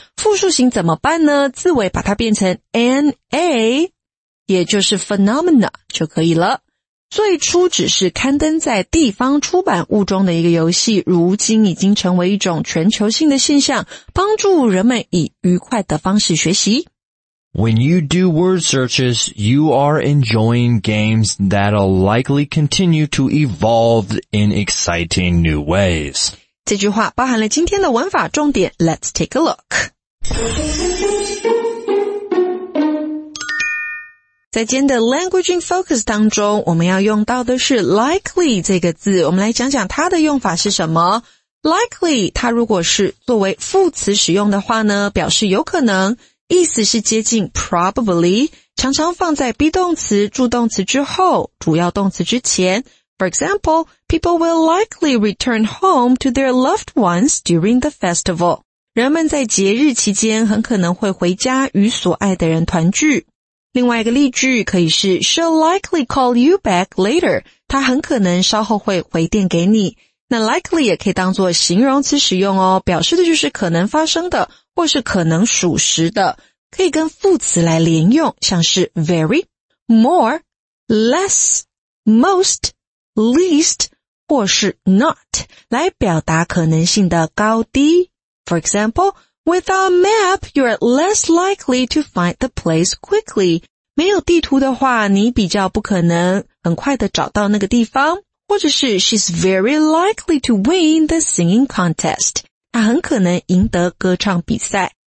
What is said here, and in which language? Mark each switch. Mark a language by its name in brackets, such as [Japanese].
[Chinese] 复数型怎么办呢？字尾把它变成 na， 也就是 phenomena 就可以了。最初只是刊登在地方出版物中的一个游戏，如今已经成为一种全球性的现象，帮助人们以愉快的方式学习。 [English] When you do word searches, you are enjoying games that'll likely continue to evolve in exciting new ways. [Chinese] 这句话包含了今天的文法重点。 [English] Let's take a look. [Chinese] 在今天的 Language in Focus 当中，我们要用到的是 likely 这个字。我们来讲讲它的用法是什么。 Likely 它如果是作为副词使用的话呢，表示有可能，意思是接近 probably， 常常放在 be 动词、助动词之后，主要动词之前。 [English] For example, people will likely return home to their loved ones during the festival. [Chinese] 人们在节日期间很可能会回家与所爱的人团聚。另外一个例句可以是 [English] she'll likely call you back later， [Chinese] 她很可能稍后会回电给你。那 likely 也可以当作形容词使用哦，表示的就是可能发生的或是可能属实的，可以跟副词来连用，像是 very, more, less, most, least, 或是 not, 来表达可能性的高低。 [English] For example, without a map, you're less likely to find the place quickly. [Chinese] 没有地图的话，你比较不可能很快地找到那个地方。或者是 [English] she's very likely to win the singing contest. [Chinese] 他很可能赢得歌唱比赛。